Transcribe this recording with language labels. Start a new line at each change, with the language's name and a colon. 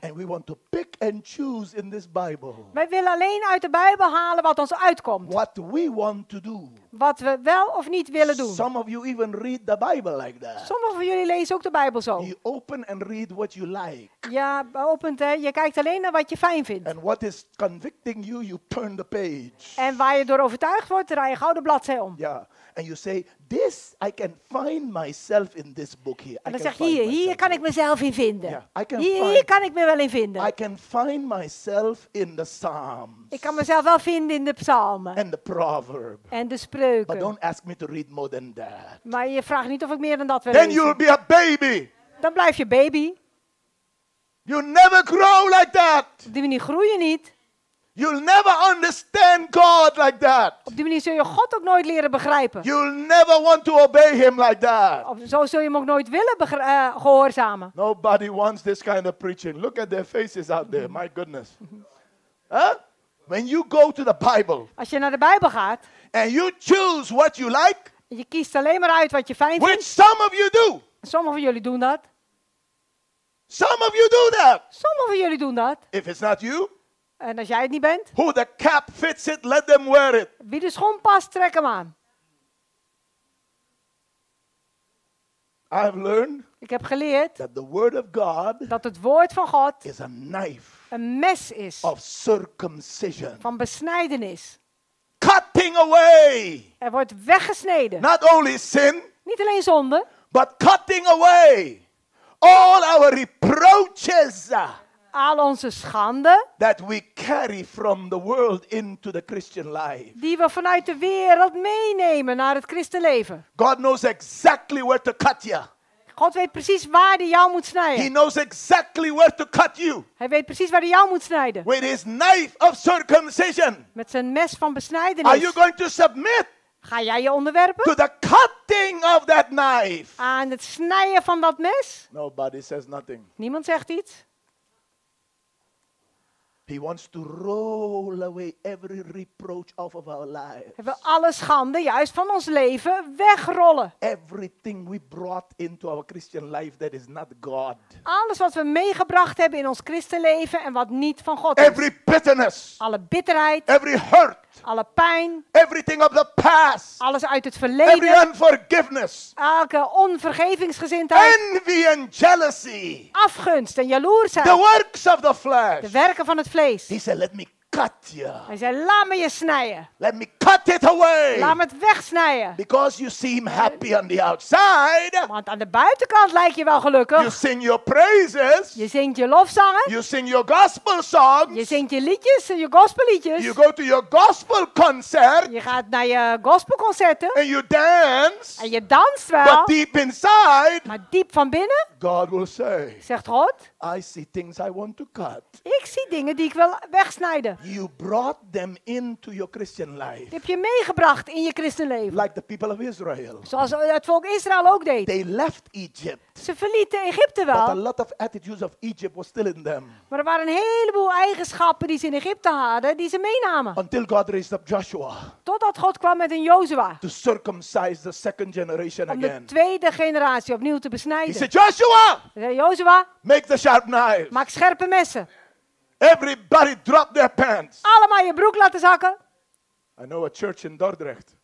English: And we want to pick and choose in this Bible.
Dutch: Wij willen alleen uit de Bijbel halen wat ons uitkomt.
English: What we want to do.
Dutch: Wat we wel of niet willen doen.
English: Some of you even read the Bible like that.
Dutch: Sommigen van jullie lezen ook de Bijbel zo.
English: You open and read what you like.
Dutch: Ja, opent hè. Je kijkt alleen naar wat je fijn vindt.
English: And what is convicting you, you turn the page.
Dutch: En waar je door overtuigd wordt, draai je gauw de bladzij om. Ja.
English: And you say, this I can find myself in this book here.
Dutch: En dan zeg je, hier kan ik mezelf in vinden.
English: Yeah, I can
Dutch: hier kan ik me wel in vinden.
English: I can find myself in the Psalms.
Dutch: Ik kan mezelf wel vinden in de Psalmen.
English: And the Proverb.
Dutch: En de Spreuken.
English: But don't ask me to read more than that.
Dutch: Maar je vraagt niet of ik meer dan dat wil
English: then
Dutch: lezen.
English: You'll be a baby.
Dutch: Dan blijf je baby.
English: You never grow like that.
Dutch: Op die manier groei je niet.
English: You'll never understand God like that.
Dutch: Op die manier zul je God ook nooit leren begrijpen.
English: You'll never want to obey him like that.
Dutch: Zo zul je hem ook nooit willen gehoorzamen.
English: Nobody wants this kind of preaching. Look at their faces out there. My goodness. Huh? When you go to the Bible.
Dutch: Als je naar de Bijbel gaat.
English: And you choose what you like.
Dutch: Je kiest alleen maar uit wat je fijn
English: which
Dutch: vindt.
English: Which some of you do.
Dutch: Sommigen van jullie doen dat.
English: Some of you do that.
Dutch: Sommigen van jullie doen dat.
English: If it's not you.
Dutch: En als jij het niet bent.
English: Who the cap fits it, let them wear it.
Dutch: Wie de schoen past, trek hem aan.
English: I've learned.
Dutch: Ik heb geleerd.
English: That the word of God.
Dutch: Dat het woord van God.
English: Is a knife.
Dutch: Een mes is.
English: Of circumcision.
Dutch: Van besnijdenis.
English: Cutting away.
Dutch: Er wordt weggesneden.
English: Not only sin.
Dutch: Niet alleen zonde.
English: But cutting away. All our reproaches.
Dutch: Al onze schande.
English: That we carry from the world into the Christian life.
Dutch: Die we vanuit de wereld meenemen naar het christenleven.
English: God knows exactly where to cut you.
Dutch: God weet precies waar hij jou moet snijden.
English: He knows exactly where to cut you.
Dutch: Hij weet precies waar hij jou moet snijden.
English: With his knife of circumcision.
Dutch: Met zijn mes van besnijdenis.
English: Are you going to submit?
Dutch: Ga jij je onderwerpen?
English: To the cutting of that knife.
Dutch: Aan het snijden van dat mes?
English: Nobody says nothing.
Dutch: Niemand zegt iets.
English: He wants to roll away every reproach off of our lives.
Dutch: Hij wil alle schande juist van ons leven wegrollen.
English: Everything we brought into our Christian life that is not God.
Dutch: Alles wat we meegebracht hebben in ons christenleven en wat niet van God is.
English: Every bitterness.
Dutch: Alle bitterheid.
English: Every hurt.
Dutch: Alle pijn.
English: Everything of the past.
Dutch: Alles uit het verleden.
English: Every unforgiveness.
Dutch: Elke onvergevingsgezindheid.
English: Envy and jealousy.
Dutch: Afgunst en jaloersheid.
English: The works of the flesh.
Dutch: De werken van het vlees.
English: He said, let me cut you.
Dutch: Hij zei, laat me je snijden.
English: Let me cut it away.
Dutch: Laat me het wegsnijden.
English: Because you seem happy on the outside.
Dutch: Want aan de buitenkant lijk je wel gelukkig.
English: You sing your praises.
Dutch: Je zingt je lofzangen.
English: You sing your gospel songs.
Dutch: Je zingt je liedjes, je gospelliedjes.
English: You go to your gospel concert.
Dutch: Je gaat naar je gospelconcerten.
English: And you dance.
Dutch: En je danst wel.
English: But deep inside.
Dutch: Maar diep van binnen.
English: God will say.
Dutch: Zegt God.
English: I see things I want to cut.
Dutch: Ik zie dingen die ik wil wegsnijden.
English: You brought them into your Christian life.
Dutch: Die heb je meegebracht in je christenleven.
English: Like the people of Israel.
Dutch: Zoals het volk Israël ook deed.
English: They left Egypt.
Dutch: Ze verlieten Egypte wel.
English: But a lot of attitudes of Egypt was still in them.
Dutch: Maar er waren een heleboel eigenschappen die ze in Egypte hadden, die ze meenamen.
English: Until God raised up Joshua.
Dutch: Totdat God kwam met een Jozua.
English: To circumcise the second generation again.
Dutch: Om de tweede generatie opnieuw te besnijden.
English: He said, Joshua!
Dutch: Hij zei, Jozua,
English: make the sharp knives.
Dutch: Maak scherpe messen.
English: Everybody drop their pants.
Dutch: Allemaal je broek laten zakken.
English: I know a church in Dordrecht.